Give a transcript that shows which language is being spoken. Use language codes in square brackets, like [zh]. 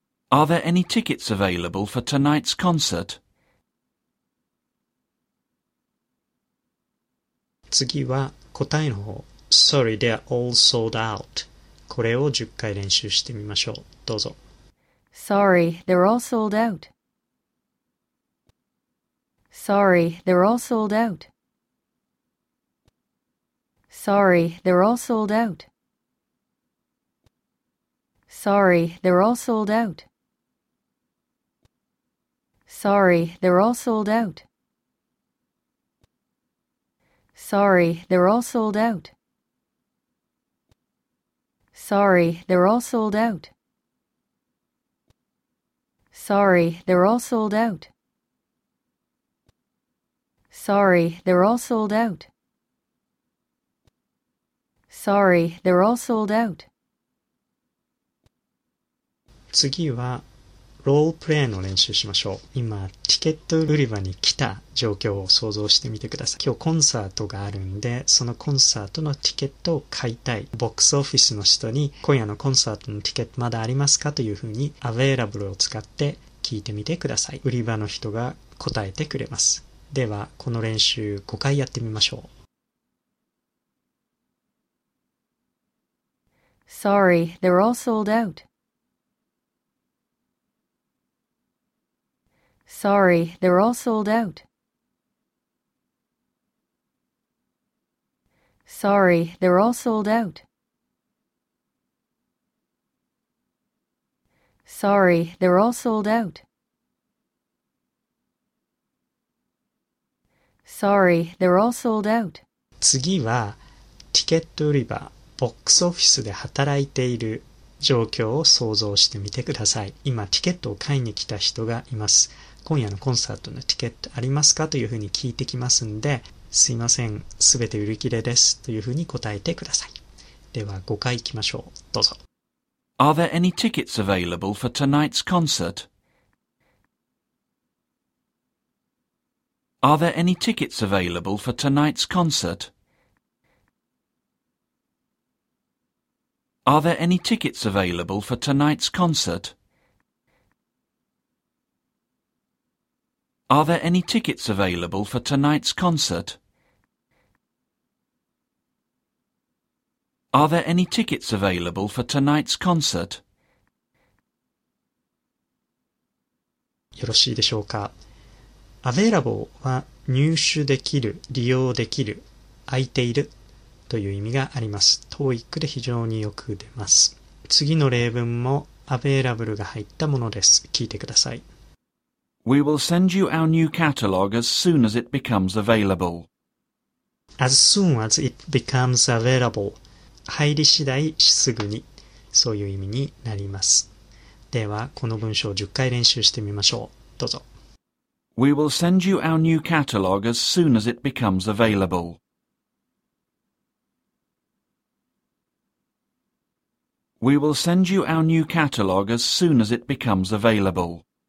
[en] Are there any tickets available for tonight's concert? [ja] 次は答えの方。 [en] Sorry, they are all sold out. [ja] これを10回練習してみましょう。どうぞ。 [en] Sorry, they're all sold out. Sorry, they're all sold out. Sorry, they're all sold out. Sorry, they're all sold out. Sorry, they're all sold out. Sorry, they're all sold out. Sorry, they're all sold out. Sorry, they're all sold out. Sorry, they're all sold out. Sorry, they're all sold out. [ja] 次はロールプレイの練習しましょう。今、チケット売り場に来た状況を想像してみてください。今日コンサートがあるんで、そのコンサートのチケットを買いたい。ボックスオフィスの人に、今夜のコンサートのチケットまだありますかというふうに、available を使って聞いてみてください。売り場の人が答えてくれます。では、この練習5回やってみましょう。 [en] Sorry, they're all sold out. Sorry, they're all sold out. Sorry, they're all sold out. Sorry, they're all sold out. Sorry, they're all sold out. [ja] 次はチケット売り場、ボックスオフィスで働いている状況を想像してみてください。今チケットを買いに来た人がいます。今夜のコンサートのチケットありますかというふうに聞いてきますんで、すいません、すべて売り切れですというふうに答えてください。では5回行きましょう。どうぞ。 [en] Are there any tickets available for tonight's concert? Are there any tickets available for tonight's concert? Are there any tickets available for tonight's concert? Are there any tickets available for tonight's concert? Are there any tickets available for tonight's concert? [ja] よろしいでしょうか。 Available は入手できる、利用できる、空いているという意味があります。 TOEIC で非常によく出ます。次の例文も Available が入ったものです。聞いてください。 [en] We will send you our new catalog as soon as it becomes available. As soon as it becomes available. [ja] 入り次第すぐに。そういう意味になります。では、この文章を10回練習してみましょう。どうぞ。 [en] We will send you our new catalog as soon as it becomes available. We will send you our new catalog as soon as it becomes available.